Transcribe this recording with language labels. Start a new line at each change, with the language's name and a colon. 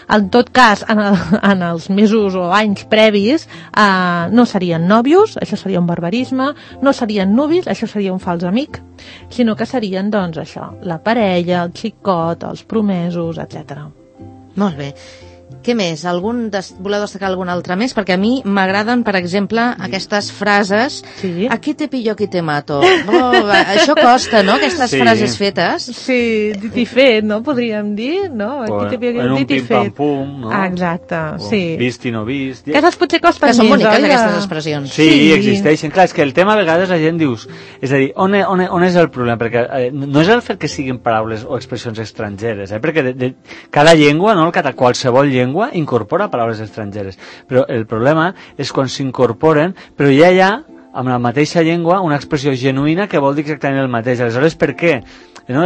Catalan: En tot cas, en els mesos o anys previs, no serien nòvios, això seria un barbarisme, no serien nuvis, això seria un fals amic, sinó que serien doncs això, la parella, el xicot, els promesos, etc. Molt bé. Què més? Voleu destacar algun altre més? Perquè a mi m'agraden, per exemple, aquestes frases. Sí.
Spanish: Aquí te pillo, aquí te mato.
Catalan: Oh, això costa, no? Aquestes frases fetes. Sí, dit i fet, no? Podríem dir, no?
Spanish: Aquí te pillo, aquí te mato. En un pim-pam-pum, no?
Catalan: Exacte, sí. Vist i no vist. Aquestes potser costen més, oi? Que són boniques, aquestes expressions. Sí, existeixen. Clar, és que el tema a vegades la gent dius... És a dir, on és el problema? Perquè no és el fet que siguin paraules o expressions estrangeres, perquè cada llengua, no? Qualsevol llengua incorpora paraules estrangeres, però el problema és quan s'incorporen, però ja hi ha amb la mateixa llengua una expressió genuïna que vol dir exactament el mateix. Aleshores, per què? No?